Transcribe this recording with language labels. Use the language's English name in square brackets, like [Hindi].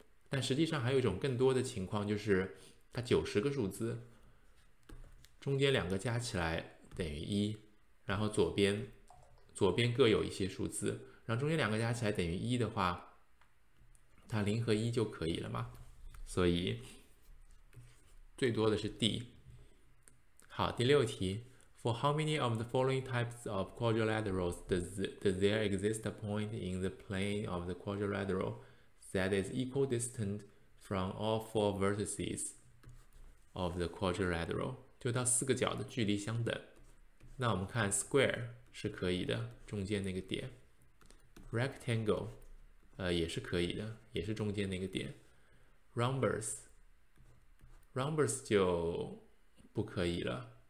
[Chinese] 但实际上还有一种更多的情况，就是它90个数字，中间两个加起来等于一，然后左边各有一些数字，然后中间两个加起来等于一的话，它零和一就可以了嘛。所以最多的是 D。好，第六题， [English] For how many of the following types of quadrilaterals does there exist a point in the plane of the quadrilateral that is equal distant from all four vertices of the quadrilateral？ [Chinese] 就到四个角的距离相等。那我们看 square 是可以的，中间那个点；rectangle，也是可以的，也是中间那个点；rhombus 就不可以了。